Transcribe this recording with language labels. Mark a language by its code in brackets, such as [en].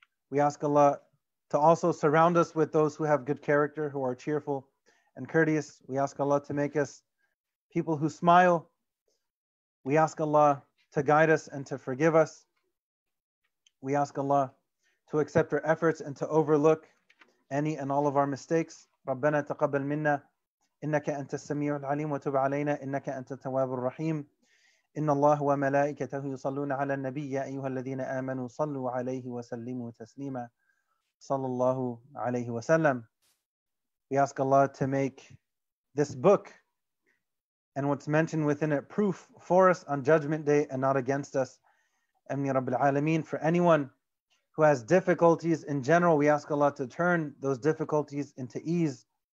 [en] We ask Allah to also surround us with those who have good character, who are cheerful and courteous. We ask Allah to make us people who smile. We ask Allah to guide us and to forgive us. We ask Allah to accept our efforts and to overlook any and all of our mistakes. [ar] رَبَّنَا تَقَبَّلْ مِنَّا إِنَّكَ أَنْتَ السَّمِيعُ الْعَلِيمُ وَتُبْ عَلَيْنَا إِنَّكَ أَنْتَ التَّوَّابُ الرَّحِيمُ إن الله وملائكته يصلون على النبي يا أيها الذين آمنوا صلوا عليه وسلموا تسليما صلى الله عليه وسلم. [en] We ask Allah to make this book and what's mentioned within it proof for us on Judgment Day and not against us. [ar] أمني رب العالمين. [en] For anyone who has difficulties in general, we ask Allah to turn those difficulties into ease.